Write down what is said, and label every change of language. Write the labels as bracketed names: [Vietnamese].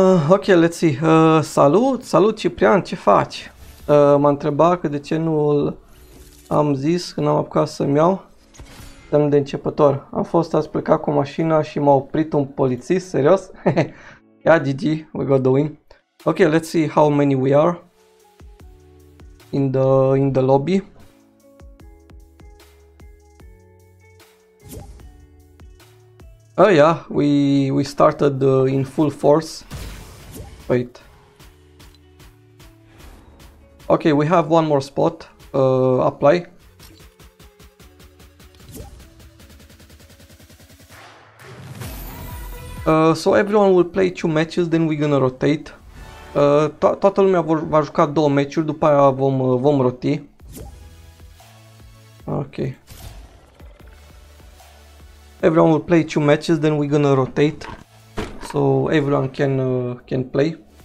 [English] Ok, let's see. [Romanian] Salut Ciprian, ce faci? M-a întrebat că de ce nu am zis că n-am apucat să-mi iau. Suntem de începător. Am fost azi plecat cu mașina și m-a oprit un polițist, serios? [English] Ia, GG, we got the win. Ok, let's see how many we are in the lobby. Oh yeah, we started in full force. Wait. Okay, we have one more spot. Apply. So everyone will play two matches, then we're gonna rotate. [Romanian] Toată lumea va juca două meciuri, după aia vom roti. [English] Okay. Everyone will play two matches, then we're gonna rotate, so everyone can play.